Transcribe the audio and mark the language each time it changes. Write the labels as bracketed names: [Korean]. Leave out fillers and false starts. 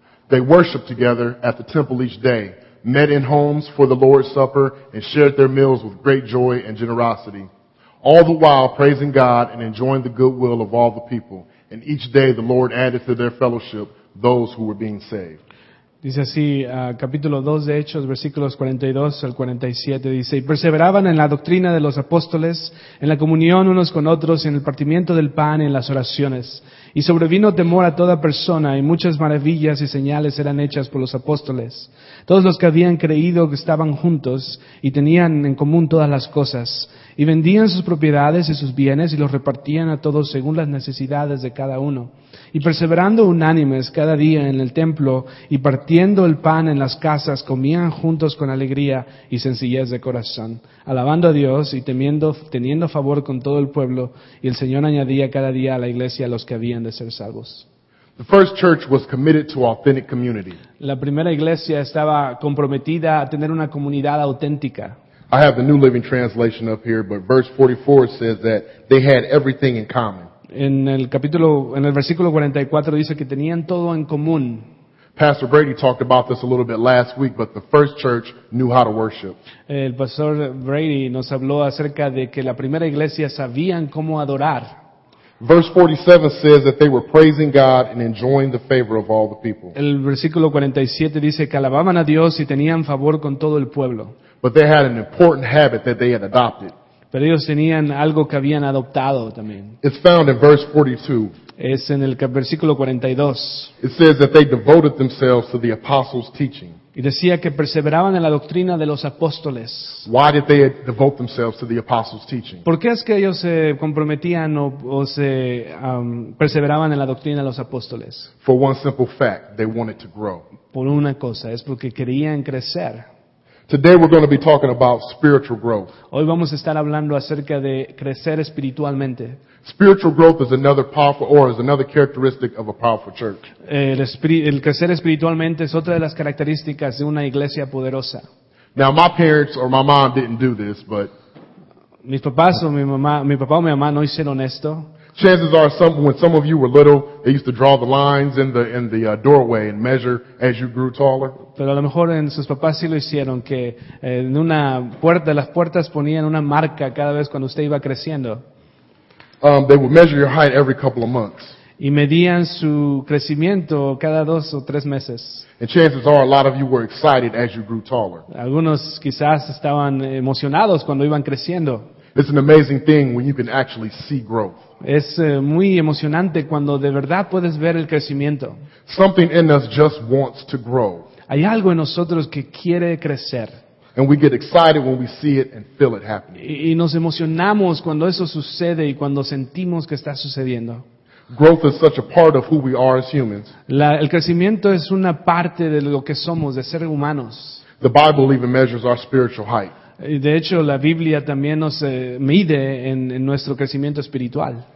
[English] They worshiped together at the temple each day, met in homes for the Lord's Supper, and shared their meals with great joy and generosity, all the while praising God and enjoying the goodwill of all the people. And each day the Lord added to their fellowship those who were being saved. [Spanish] Dice así, capítulo 2 de Hechos, versículos 42 al 47, dice, y perseveraban en la doctrina de los apóstoles, en la comunión unos con otros, en el partimiento del pan y en las oraciones. Y sobrevino temor a toda persona, y muchas maravillas y señales eran hechas por los apóstoles. Todos los que habían creído que estaban juntos, y tenían en común todas las cosas. Y vendían sus propiedades y sus bienes, y los repartían a todos según las necesidades de cada uno. Y perseverando unánimes cada día en el templo, y partiendo el pan en las casas, comían juntos con alegría y sencillez de corazón, alabando a Dios y teniendo favor con todo el pueblo, y el Señor añadía cada día a la iglesia a los que habían de ser salvos. [English] The first church was committed to authentic community. [Spanish] La primera iglesia estaba comprometida a tener una comunidad auténtica. [English] I have the New Living Translation up here, but verse 44 says that they had everything in common. [Spanish] En el versículo 44 dice que tenían todo en común. [English] Pastor Brady talked about this a little bit last week, but the first church knew how to worship. [Spanish] El pastor Brady nos habló acerca de que la primera iglesia sabían cómo adorar. [English] Verse 47 says that they were praising God and enjoying the favor of all the people. [Spanish] El versículo 47 dice que alababan a Dios y tenían favor con todo el pueblo. [English] But they had an important habit that they had adopted. [Spanish] Pero ellos tenían algo que habían adoptado también. [English] It's found in verse 42. [Spanish] Es en el versículo 42. [English] It says that they devoted themselves to the apostles' teaching. [Spanish] Y decía que perseveraban en la doctrina de los apóstoles. [English] Why did they devote themselves to the apostles' teaching? [Spanish] ¿Por qué es que ellos se comprometían o se perseveraban en la doctrina de los apóstoles? [English] For one simple fact, they wanted to grow. [Spanish] Por una cosa, es porque querían crecer. [English] Today we're going to be talking about spiritual growth. [Spanish] Hoy vamos a estar hablando acerca de crecer espiritualmente. [English] Spiritual growth is another powerful or is another characteristic of a powerful church. [Spanish] El crecer espiritualmente es otra de las características de una iglesia poderosa. [English] Now my parents or my mom didn't do this, but [Spanish] mis papás o mi papá o mi mamá no hicieron esto. [English] Chances are when some of you were little, they used to draw the lines in the doorway and measure as you grew taller. [Spanish] Pero a lo mejor en sus papás sí lo hicieron, que en una puerta, las puertas ponían una marca cada vez cuando usted iba creciendo. [English] They would measure your height every couple of months. [Spanish] Y medían su crecimiento cada dos o tres meses. [English] And chances are a lot of you were excited as you grew taller. [Spanish] Algunos quizás estaban emocionados cuando iban creciendo. [English] It's an amazing thing when you can actually see growth. [Spanish] Es muy emocionante cuando de verdad puedes ver el crecimiento. [English] Something in us just wants to grow. [Spanish] Hay algo en nosotros que quiere crecer. [English] And we get excited when we see it and feel it happening. [Spanish] Y nos emocionamos cuando eso sucede y cuando sentimos que está sucediendo. [English] Growth is such a part of who we are as humans. [Spanish] El crecimiento es una parte de lo que somos, de ser humanos. [English] The Bible even measures our spiritual height. [Spanish] De hecho, la Biblia también nos mide en nuestro crecimiento espiritual.